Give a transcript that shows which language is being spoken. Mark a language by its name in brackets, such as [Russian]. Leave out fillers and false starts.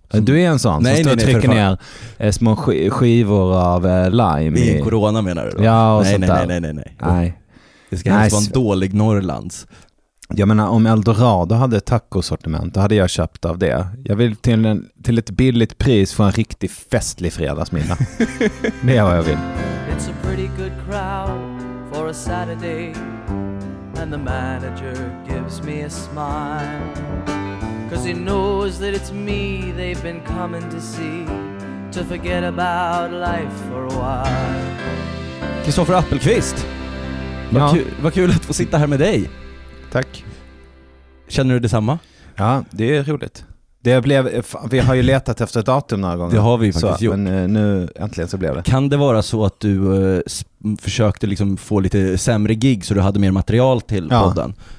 [Swedish] Du är en sån som står och trycker ner små skivor av lime. I corona menar du då? Ja, och nej, sånt där. Nej. Det ska helst vara en dålig Norrlands. Jag menar, om Eldorado hade tacosortiment, då hade jag köpt av det. Jag vill till ett billigt pris få en riktigt festlig fredagsmiddag. Det är vad jag vill. [English] It's a pretty good crowd for a Saturday, and the manager gives me a smile, 'cause he knows that it's me they've been coming to see, to forget about life for a while. [Swedish] Kristoffer Appelqvist, ja. Vad kul att få sitta här med dig. Tack. Känner du detsamma? Ja, det är roligt. Vi har ju letat efter ett datum några gånger. Det har vi faktiskt gjort. Men nu äntligen så blev det. Kan det vara så att du försökte liksom få lite sämre gig så du hade mer material till podden?